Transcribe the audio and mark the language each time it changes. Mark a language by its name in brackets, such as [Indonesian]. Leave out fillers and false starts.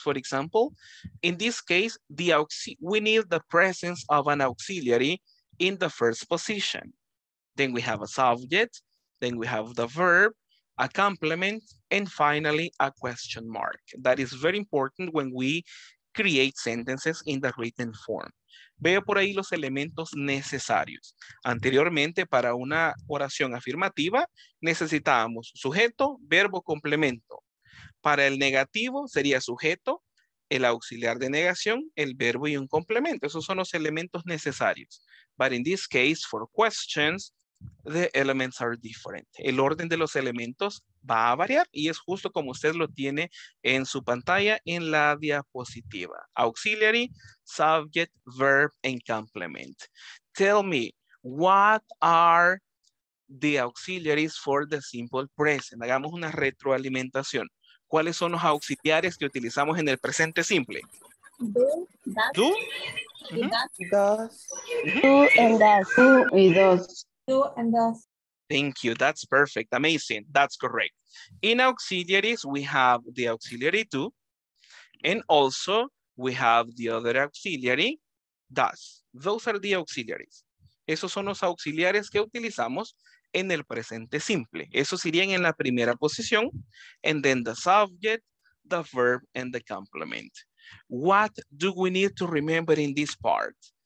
[English] For example, in this case, we need the presence of an auxiliary in the first position. Then we have a subject, then we have the verb, a complement, and finally a question mark. That is very important when we create sentences in the written form. [Spanish] Veo por ahí los elementos necesarios. Anteriormente, para una oración afirmativa, necesitábamos sujeto, verbo, complemento. Para el negativo sería sujeto, el auxiliar de negación, el verbo y un complemento. Esos son los elementos necesarios. [English] But in this case, for questions, the elements are different. [Spanish] El orden de los elementos va a variar y es justo como usted lo tiene en su pantalla en la diapositiva. [English] Auxiliary, subject, verb, and complement. Tell me, what are the auxiliaries for the simple present? [Spanish] Hagamos una retroalimentación. ¿Cuáles son los auxiliares que utilizamos en el presente simple? [English] Do, does, do, and does, do, and does. Thank you, that's perfect, amazing, that's correct. In auxiliaries, we have the auxiliary do, and also we have the other auxiliary, does. Those are the auxiliaries. [Spanish] Esos son los auxiliares que utilizamos en el presente simple. Eso serían en la primera posición. [English] And then the subject, the verb, and the complement. What do we need to remember in this part?